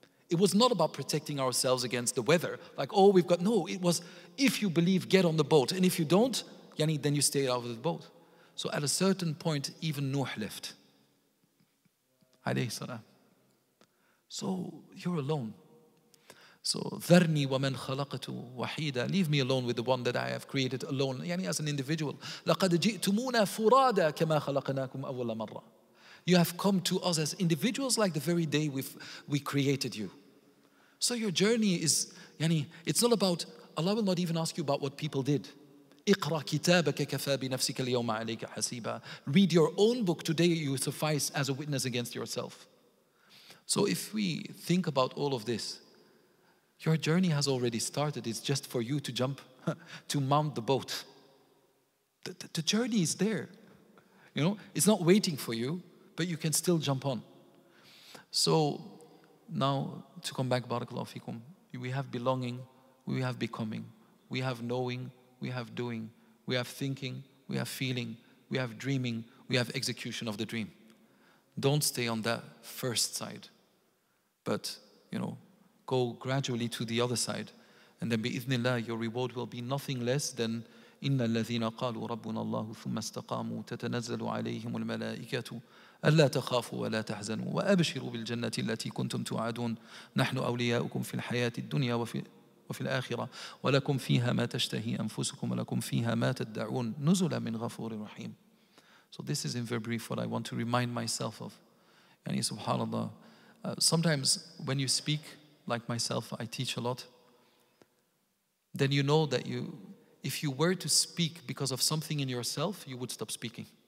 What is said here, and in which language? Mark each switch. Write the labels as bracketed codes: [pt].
[en] It was not about protecting ourselves against the weather. Like, oh, we've got, no, it was, if you believe, get on the boat. And if you don't, yani, then you stay out of the boat. So at a certain point, even Nuh left, alayhi salam. So you're alone. [ar] So ذَرْنِي وَمَنْ خَلَقَتُ وَحِيدًا. [en] Leave me alone with the one that I have created alone, yani as an individual. [ar] لَقَدْ جِئْتُمُونَ فُرَادًا كَمَا خَلَقَنَاكُمْ أَوَّلَ مَرَّةً. [en] You have come to us as individuals like the very day we created you. So your journey is, yani, it's not about, Allah will not even ask you about what people did. [ar] اِقْرَى كِتَابَكَ كَفَى بِنَفْسِكَ الْيَوْمَ عَلَيْكَ حَسِيبًا. [en] Read your own book, today you suffice as a witness against yourself. So if we think about all of this, your journey has already started. It's just for you to jump, to mount the boat. The journey is there. You know, it's not waiting for you, but you can still jump on. So now to come back, barakallahu fikum, we have belonging, we have becoming, we have knowing, we have doing, we have thinking, we have feeling, we have dreaming, we have execution of the dream. Don't stay on that first side, but, you know, go gradually to the other side. And then bi-ithnillah, your reward will be nothing less than [ar] إِنَّ الَّذِينَ قَالُوا رَبُّنَ اللَّهُ ثُمَّ اسْتَقَامُوا تَتَنَزَّلُ عَلَيْهِمُ الْمَلَائِكَةُ أَلَّا تَخَافُوا وَلَا تَحْزَنُوا وَأَبْشِرُوا بِالْجَنَّةِ الَّتِي كُنْتُمْ تُوَعَدُونَ نَحْنُ أَوْلِيَاؤُكُمْ فِي الْحَيَاةِ الدُّنْيَا وَفِي الْآخِرَةِ وَلَكُمْ فِيهَا مَا تَشْتَهِي أَنفُسُكُمْ وَلَكُمْ فِيهَا مَا تَدَّعُونَ نُزُلًا مِنْ غَفُورٍ رَحِيمٍ. [en] So this is in very brief what I want to remind myself of. Yani subhanAllah, sometimes when you speak, like myself, I teach a lot, then you know that you, if you were to speak because of something in yourself, you would stop speaking.